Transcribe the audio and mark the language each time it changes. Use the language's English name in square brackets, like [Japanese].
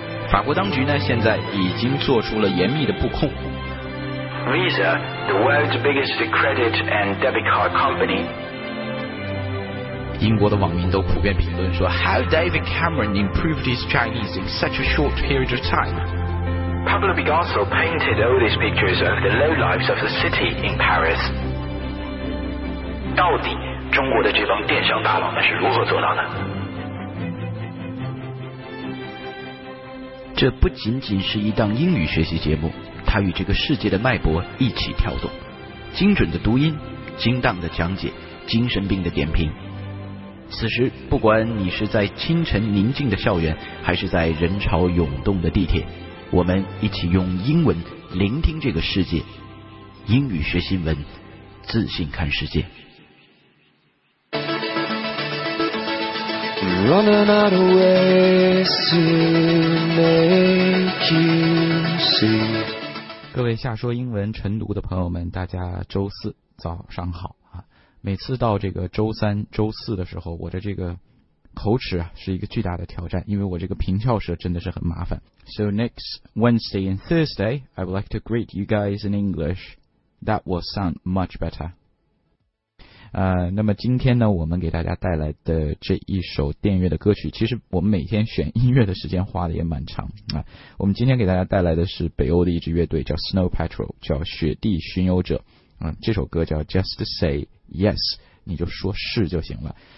[Chinese] 法国当局呢，现在已经做出了严密的布控。 [English] Visa, the world's biggest credit and debit card company. [Chinese] 英国的网民都普遍评论说 [English] ，How David Cameron improved his Chinese in such a short period of time? Pablo Picasso painted all these pictures of the low lives of the city in Paris. [Chinese] 到底中国的这帮电商大佬们是如何做到的？这不仅仅是一档英语学习节目，它与这个世界的脉搏一起跳动，精准的读音，精当的讲解，精神病的点评。此时不管你是在清晨宁静的校园，还是在人潮涌动的地铁，我们一起用英文聆听这个世界。英语学新闻，自信看世界。 [English] Running out of ways to make you see。 [Chinese] 各位下说英文晨读的朋友们，大家周四早上好啊！每次到这个周三、周四的时候，我的这个口齿啊是一个巨大的挑战，因为我这个平翘舌真的是很麻烦。 [English] So next Wednesday and Thursday, I would like to greet you guys in English. That will sound much better. [Chinese] 那么今天呢，我们给大家带来的这一首电乐的歌曲，其实我们每天选音乐的时间花的也蛮长啊。我们今天给大家带来的是北欧的一支乐队，叫 Snow Patrol， 叫雪地巡游者。这首歌叫 Just Say Yes， 你就说是就行了。